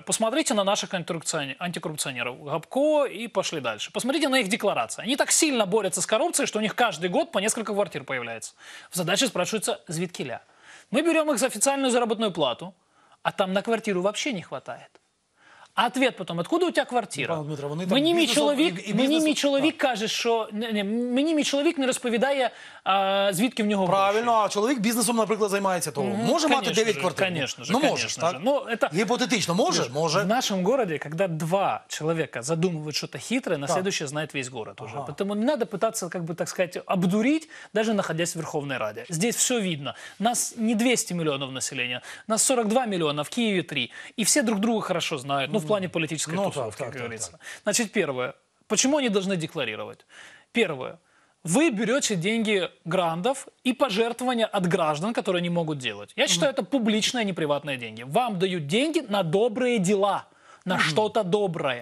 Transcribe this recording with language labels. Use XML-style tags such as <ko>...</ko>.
<ru>Посмотрите на наших антикоррупционеров. Гопко и пошли дальше. Посмотрите на их декларации. Они так сильно борются с коррупцией, что у них каждый год по несколько квартир появляется. В задаче спрашивается звідкіля. Мы берем их за официальную заработную плату, а там на квартиру вообще не хватает. А ответ потом, откуда у тебя квартира?</ru> <uk>Пан Дмитро, вони мені мій чоловік, каже, що мені мій чоловік не розповідає, звідки в нього гроші. Правильно, а чоловік бізнесом, наприклад, займається, то може мати 9 квартир.</uk> <ru>Конечно же,</ru> <uk>ну, можеш, так? Ну, гіпотетично, може, же. Може. В нашому місті, коли два чоловіка задумують щось хитре, на наступне знає весь город уже. Ага. Тому не треба</uk> <ru>пытаться, как бы, так сказать, обдурить, навіть находясь в Верховній Раді. Здесь все видно.</ru> <uk>Нас не 200 мільйонів населення, нас 42 мільйона, в Києві 3. І всі друг друга хорошо знають.</uk> <ru>В плане политической тусовки, как говорится. Значит, первое. Почему они должны декларировать? Первое. Вы берете деньги грантов и пожертвования от граждан, которые не могут делать. Я считаю, это публичные, а не приватные деньги. Вам дают деньги на добрые дела, на что-то доброе.</ru>